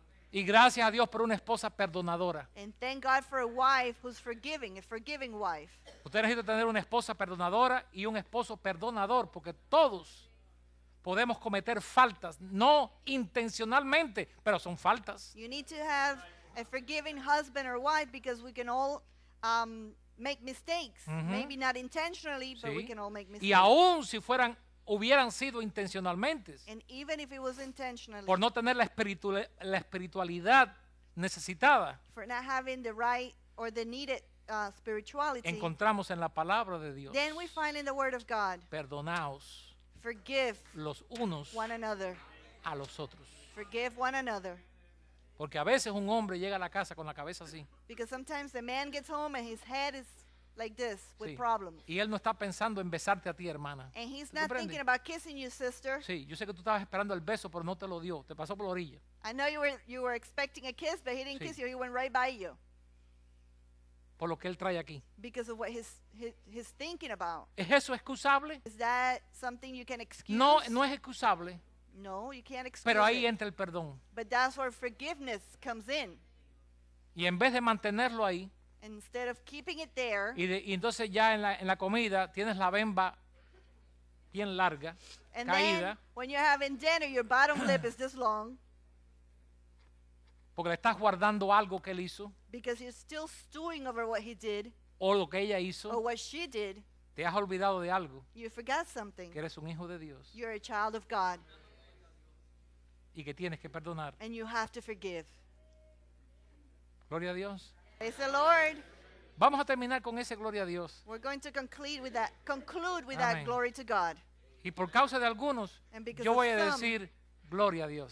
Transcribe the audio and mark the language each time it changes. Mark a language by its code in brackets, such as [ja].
[es] Y gracias a Dios por una esposa perdonadora. [en] And thank God for a wife who's forgiving, a forgiving wife. [es] Usted necesita tener una esposa perdonadora y un esposo perdonador, porque todos podemos cometer faltas, no intencionalmente, pero son faltas. [en] You need to have a forgiving husband or wife because we can all make mistakes. Mm-hmm. Maybe not intentionally, but we can all make mistakes. [es] Y aún si fueran hubieran sido intencionalmente. [en] And even if it was intentionally, [es] por no tener la espiritualidad necesitada. [en] For not having the right or the needed spirituality. [es] Encontramos en la palabra de Dios. [en] Then we find in the word of God. [es] Perdonaos. [en] Forgive [es] los unos [en] one another. [es] A los otros. [en] Forgive one another. [es] Porque a veces un hombre llega a la casa con la cabeza así. [en] Because sometimes the man gets home and his head is like this with problems. [es] Y él no está pensando en besarte a ti, hermana. [en] And he's not thinking about kissing you, sister. [es] Sí, yo sé que tú estabas esperando el beso, pero no te lo dio. Te pasó por la orilla. [en] I know you were expecting a kiss, but he didn't kiss you. He went right by you. [es] Por lo que él trae aquí. [en] Because of what he's thinking about. [es] ¿Es eso excusable? [en] Is that something you can excuse? [es] No, no es excusable. [en] No, you can't excuse. [es] Pero ahí entra el perdón. [en] But that's where forgiveness comes in. [es] Y en vez de mantenerlo ahí. [en] Instead of keeping it there. [es] Y entonces ya en la comida tienes la bemba bien larga, [en] and [es] caída. [en] Then when you're having dinner, your bottom lip is this long. [es] Porque le estás guardando algo que él hizo. [en] Because you're still stewing over what he did. [es] O lo que ella hizo. [en] Or what she did. [es] Te has olvidado de algo. [en] You forgot something. [es] Que eres un hijo de Dios. [en] You're a child of God. [es] Y que tienes que perdonar. [en] And you have to forgive. [es] Gloria a Dios. [en] Praise the Lord. [es] Vamos a terminar con ese gloria a Dios. [en] We're going to conclude with amen, that glory to God. [es] Y por causa de algunos, yo voy a decir gloria a Dios.